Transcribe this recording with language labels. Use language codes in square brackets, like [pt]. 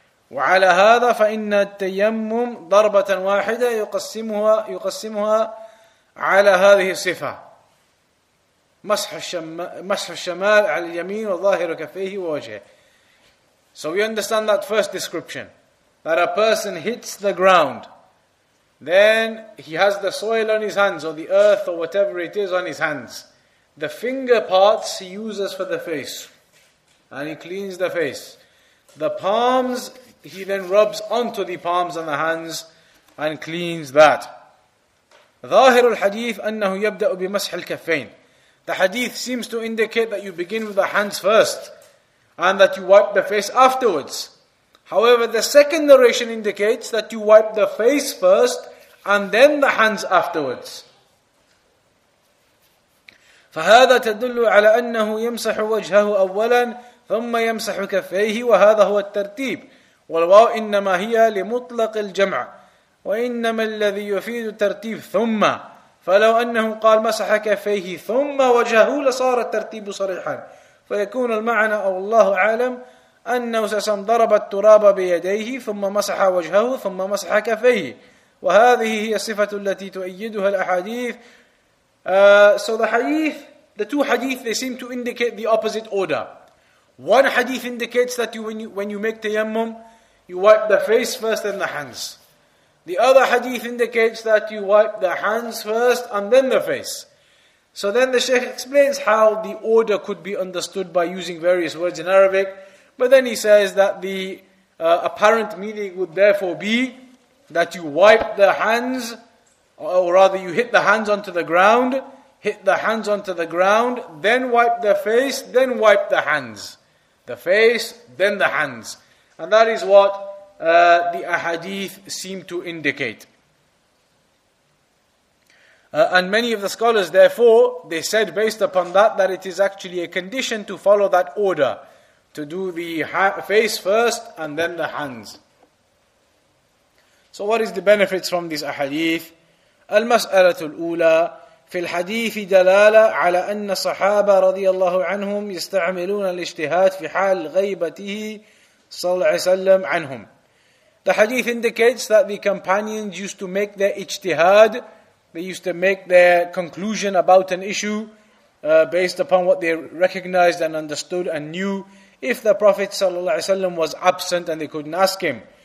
[ar] وعلى هذا فإن التيمم ضربة واحدة يقسمها على هذه الصفة مسح الشمال على اليمين وظاهر كفيه ووجهه. [en] So we understand that first description, that a person hits the ground, then he has the soil on his hands, or the earth or whatever it is on his hands. The finger parts he uses for the face, and he cleans the face. The palms, he then rubs onto the palms and the hands and cleans that. [ar] ظاهر الحديث أنه يبدأ بمسح الكفين. [en] The hadith seems to indicate that you begin with the hands first and that you wipe the face afterwards. However, the second narration indicates that you wipe the face first and then the hands afterwards. [ar] فهذا تدل على أنه يمسح وجهه أولاً ثم يمسح كفيه وهذا هو الترتيب والواو إنما هي لمطلق الجمع وإنما الذي يفيد الترتيب ثم فلو أنه قال مسح كفيه ثم وجهه لصار الترتيب صريحا فيكون المعنى أو الله أعلم أنه سسم ضرب التراب بيديه ثم مسح وجهه ثم مسح كفيه وهذه هي الصفة التي تؤيدها الأحاديث. [en] So the two hadith they seem to indicate the opposite order. One hadith indicates that when you make tayammum, you wipe the face first and the hands. The other hadith indicates that you wipe the hands first and then the face. So then the Shaykh explains how the order could be understood by using various words in Arabic. But then he says that the apparent meaning would therefore be that you wipe the hands, or rather you hit the hands onto the ground, then wipe the face, then wipe the hands. The face, then the hands. And that is what the ahadith seem to indicate. And many of the scholars, therefore, they said based upon that it is actually a condition to follow that order, to do the face first and then the hands. So what is the benefits from this ahadith? [ar] المسألة الأولى في الحديث دلالة على أن الصحابة رضي الله عنهم يستعملون الاجتهاد في حال غيبته صلى الله عليه وسلم عنهم. [en] The hadith indicates that the companions used to make their ijtihad, they used to make their conclusion about an issue based upon what they recognized and understood and knew if the Prophet ﷺ was absent and they couldn't ask him.